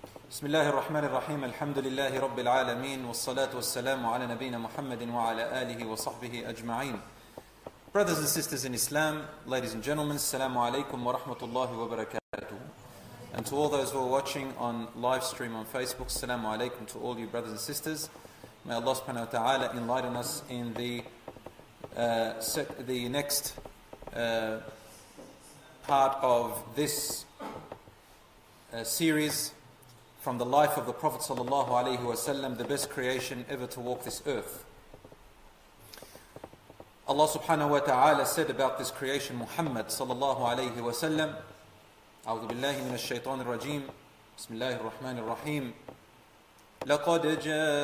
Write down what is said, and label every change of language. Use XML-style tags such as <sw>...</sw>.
<ar>بسم الله الرحمن الرحيم الحمد لله رب العالمين والصلاة والسلام على نبينا محمد وعلى آله وصحبه أجمعين.</ar> <en>Brothers and sisters in Islam, ladies and gentlemen,</en> <ar>السلام عليكم ورحمة الله وبركاته.</ar> <en>And to all those who are watching on live stream on Facebook, Assalamu alaikum to all you brothers and sisters. May Allah subhanahu wa ta'ala enlighten us in the next part of this series from the life of the Prophet sallallahu alayhi wa sallam, the best creation ever to walk this earth. Allah subhanahu wa ta'ala said about this creation, Muhammad sallallahu alayhi wa sallam,</en> <ar>أعوذ بالله من الشيطان الرجيم بسم الله الرحمن الرحيم لقد جاءكم</ar>